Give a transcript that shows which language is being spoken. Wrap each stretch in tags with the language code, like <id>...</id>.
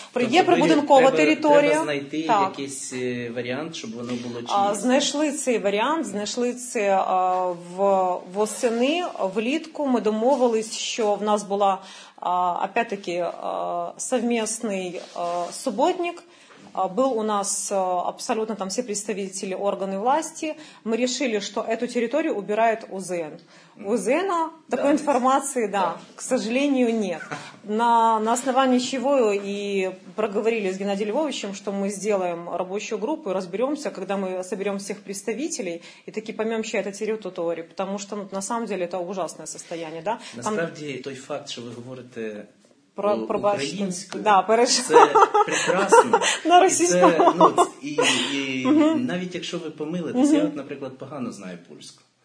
<uk>Так, є прибудинкова територія. Треба знайти якийсь варіант, щоб воно було чисто. Знайшли цей варіант, знайшли це восени. Влітку ми домовились, що в нас була опять-таки совмісний суботник.</uk> <ru>Был у нас абсолютно там все представители органы власти. Мы решили, что эту территорию убирает УЗН. УЗН такой информации, да, к сожалению, нет. На основании чего и проговорили с Геннадием Львовичем, что мы сделаем рабочую группу и разберемся, когда мы соберем всех представителей и таки поймем, что это территория. Потому что ну, на самом деле это ужасное состояние. Да? Там...</ru> <uk>Насправді, той факт,</uk> <ru>что вы говорите...</ru> <uk>Про українську,</uk> <ru>да,</ru> <uk>це прекрасно. На російську. Це, ну, і навіть якщо ви помилитесь, я от, наприклад, погано знаю польську.</uk>